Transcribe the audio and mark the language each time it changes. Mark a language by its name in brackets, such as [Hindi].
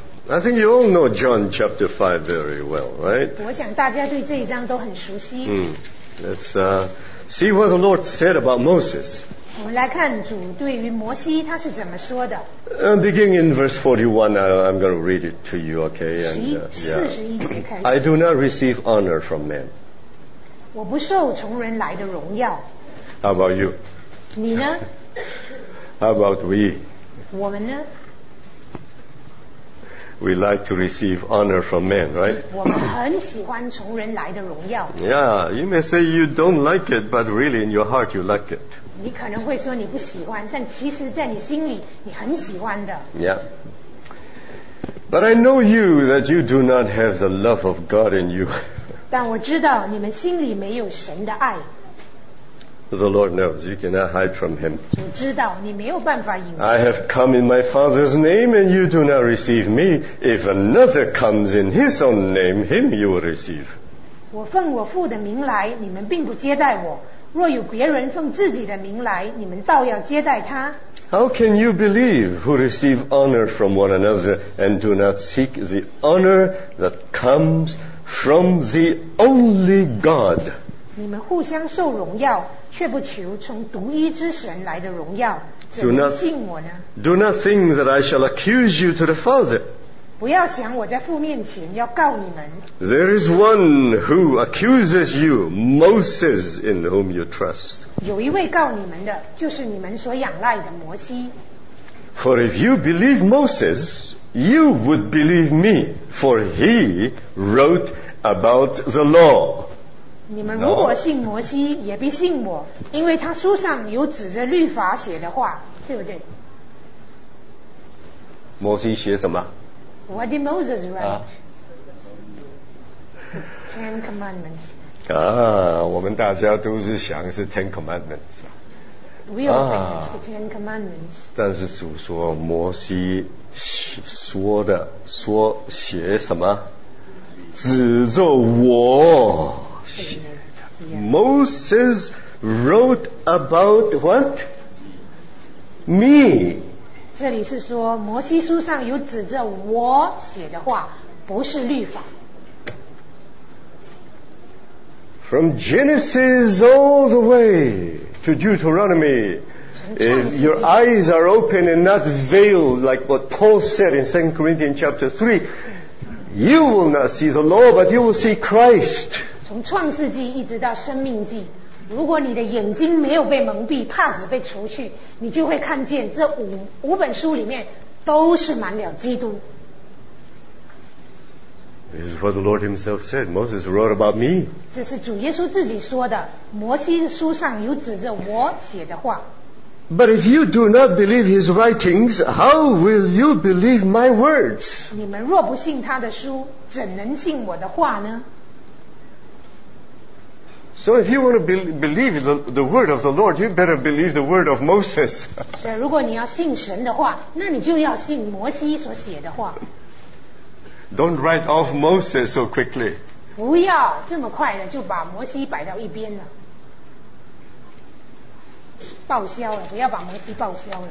[English] I think you all know John chapter 5 very well, right? [Chinese] 我想大家对这一章都很熟悉。 [English] Let's see what the Lord said about Moses. [Chinese] 我们来看主对于摩西他是怎么说的。 [English] Beginning in verse 41, I'm going to read it to you, okay? [Chinese] 41节开始。 [English] I do not receive honor from men. [Chinese] 我不受从人来的荣耀。 [English] How about you? [Chinese] 你呢？ [English] How about we? [Chinese] 我们呢? [English] We like to receive honor from men, right? [Chinese] 我们很喜欢从人来的荣耀。 [English] Yeah, you may say you don't like it, but really in your heart you like it. [Chinese] 你可能会说你不喜欢，但其实在你心里你很喜欢的。 [English] Yeah. But I know you, that you do not have the love of God in you. [Chinese] 但我知道你们心里没有神的爱。 [English] The Lord knows. You cannot hide from Him. [Chinese] 主知道，你没有办法隐藏。 [English] I have come in my Father's name, and you do not receive me. If another comes in His own name, him you will receive. [Chinese] 我奉我父的名来，你们并不接待我。若有别人奉自己的名来，你们倒要接待他。 [English] How can you believe who receive honor from one another and do not seek the honor that comes from the only God? [Chinese] 你们互相受荣耀，却不求从独一之神来的荣耀，怎么信我呢？ [English] Do not think that I shall accuse you to the Father. [Chinese] 不要想我在父面前要告你们。 [English] There is one who accuses you, Moses, in whom you trust. [Chinese] 有一位告你们的，就是你们所仰赖的摩西。 [English] For if you believe Moses, you would believe me, for he wrote about the law. [Chinese] 你们如果信摩西，也必信我，因为他书上有指着律法写的话，对不对？摩西写什么？ [English] What did Moses write? Ten Commandments. [Chinese] 啊，我们大家都是想是 Ten Commandments. [English] We all think it's the Ten Commandments. [Chinese] 但是主说摩西说的说写什么？指着我写的。 [English] Moses wrote about what? Me. [Chinese] 这里是说摩西书上有指着我写的话，不是律法。 [English] From Genesis all the way to Deuteronomy, if your eyes are open and not veiled, like what Paul said in 2 Corinthians chapter 3, you will not see the law, but you will see Christ. [Chinese] 从创世纪一直到生命记，如果你的眼睛没有被蒙蔽，帕子被除去，你就会看见这 五本书里面都是满了基督。 [English] This is what the Lord himself said. Moses wrote about me. [Chinese] 这是主耶稣自己说的，摩西书上有指着我写的话。 [English] But if you do not believe his writings, how will you believe my words? [Chinese] 你们若不信他的书，怎能信我的话呢？ [English] So if you want to believe the word of the Lord, you better believe the word of Moses. [Chinese] 如果你要信神的话，那你就要信摩西所写的话。 [English] Don't write off Moses so quickly. [Chinese] 不要这么快的就把摩西摆到一边了。报销了，不要把摩西报销了。